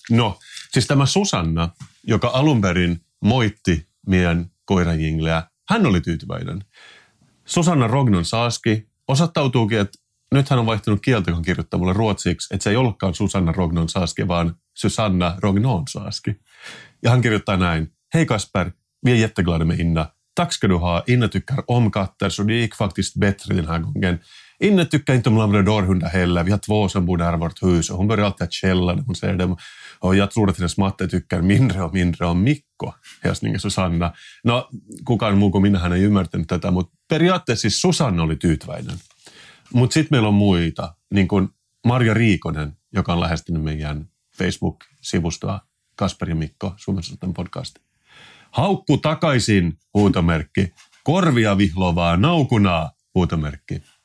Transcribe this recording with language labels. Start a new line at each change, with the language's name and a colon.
Finnish: No, siis tämä Susanna, joka alun perin moitti meidän koiranjingleä, hän oli tyytyväinen. Susanna Rognon Saaski osoittautuukin, että nyt hän on vaihtunut kieltä, kun kirjoittaa mulle ruotsiksi, että se ei ollutkaan Susanna Rognon Saaski, vaan Susanna Rognon Saaski. Ja hän kirjoittaa näin.
Swedish: Hei Kasper, vi är jätteglada med Inna. Tack ska du ha. Inna tycker om katter, så det gick faktiskt bättre den här gången. Inna tycker inte om labradorhundar heller. Vi har två som bor där i vårt hus och hon börjar alltid att källa när hon ser dem. Och jag tror att hennes matte tycker mindre och mindre om Mikko, hälsningen Susanna.
Finnish: No, kukaan muu kuin minähän ei ymmärtänyt tätä, mutta periaatteessa siis Susanna oli tyytyväinen. Mutta sitten meillä on muita, niin kuin Marja Riikonen, joka on lähestynyt meidän Facebook-sivustoa, Kasper ja Mikko, Suomen Sanotan podcast. Haukku takaisin, huutomerkki. Korvia vihlovaa, naukunaa, huutomerkki.